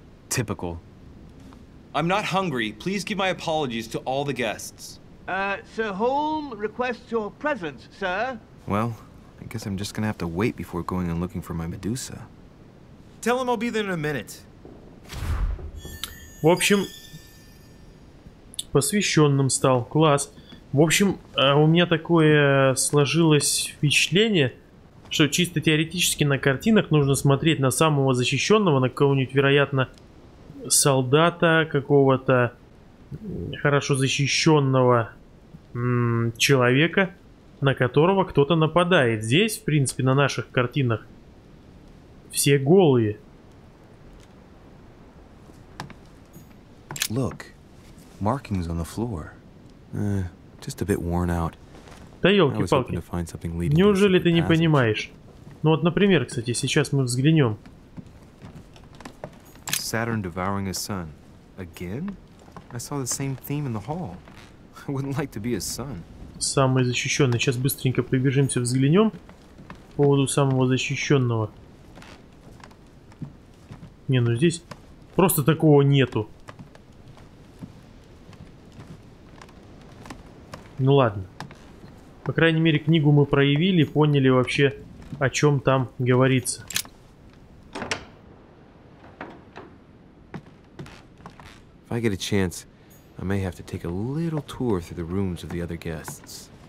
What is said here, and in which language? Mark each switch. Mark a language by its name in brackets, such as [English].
[English] Typical. I'm not hungry. Please give my apologies to all the guests. Sir Holm requests your presence, sir. Well, I guess I'm just gonna have to wait before going and looking for my Medusa. Tell him I'll be there in a minute. [Russian] В общем, посвященным стал. Класс. В общем, у меня такое сложилось впечатление, что чисто теоретически на картинах нужно смотреть на самого защищенного, на кого-нибудь, вероятно, солдата какого-то, хорошо защищенного человека, на которого кто-то нападает. Здесь, в принципе, на наших картинах все голые. [English] Look, markings on the floor. Just a bit worn out. [Russian] Да ёлки-палки. Неужели ты не понимаешь? Ну вот, например, кстати, сейчас мы взглянем. [English] Saturn devouring his son. Again? I saw the same theme in the hall. I wouldn't like to be his son. [Russian] Самый защищенный. Сейчас быстренько пробежимся, взглянем по поводу самого защищенного. Не, ну здесь просто такого нету. Ну ладно. По крайней мере, книгу мы проявили, поняли вообще, о чем там говорится. [English] If I get a chance, I may have to take a little tour through the rooms of the other guests.